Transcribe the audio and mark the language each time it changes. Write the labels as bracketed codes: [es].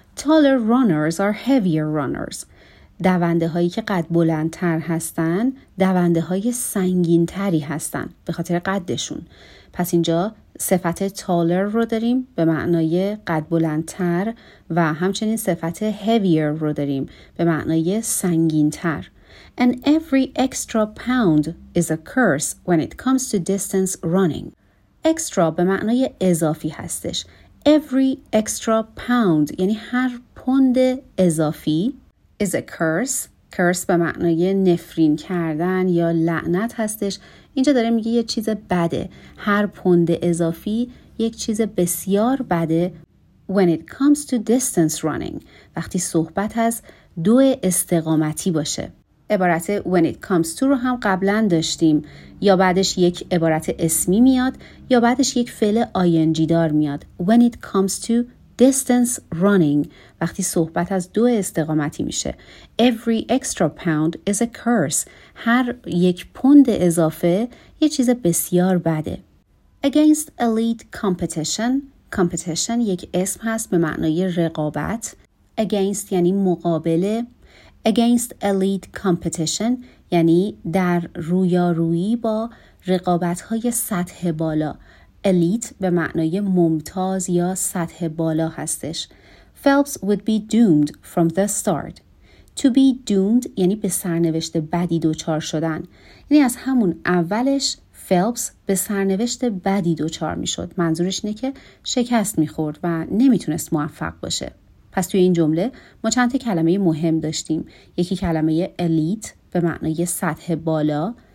[en] Taller runners are heavier runners، [fa] دونده هایی که قد بلندتر هستن دونده های سنگین تری هستن به خاطر قدشون. پس اینجا صفت taller رو داریم به معنای قد بلندتر و همچنین صفت heavier رو داریم به معنای سنگین تر. [en] And every extra pound is a curse when it comes to distance running. [fa] Extra به معنای اضافی هستش. [en] Every extra pound [fa] یعنی هر پوند اضافی [en] is a curse. [fa] curse به معنای نفرین کردن یا لعنت هستش. اینجا داره میگه یه چیز بده. هر پوند اضافی یک چیز بسیار بده. [en] When it comes to distance running، [fa] وقتی صحبت از دو استقامتی باشه. عبارت [en] when it comes to [fa] رو هم قبلا داشتیم، یا بعدش یک عبارت اسمی میاد یا بعدش یک فعل ing دار میاد. [en] When it comes to distance running، [fa] وقتی صحبت از دو استقامتی میشه. [en] Every extra pound is a curse، [fa] هر یک پوند اضافه یه چیز بسیار بده. [en] Against elite competition، [fa] competition یک اسم هست به معنای رقابت. Against یعنی مقابله. [en] Against elite competition [fa] یعنی در رویارویی با رقابت‌های سطح بالا. Elite به معنای ممتاز یا سطح بالا هستش. [en] Phelps would be doomed from the start. To be doomed [fa] یعنی به سرنوشت بدی دوچار شدن. یعنی از همون اولش Phelps به سرنوشت بدی دوچار می شد. منظورش اینه که شکست می خورد و نمی تونست موفق باشه. پس توی این جمله ما چند تا کلمه مهم داشتیم. یکی کلمه elite به معنای سطح بالا.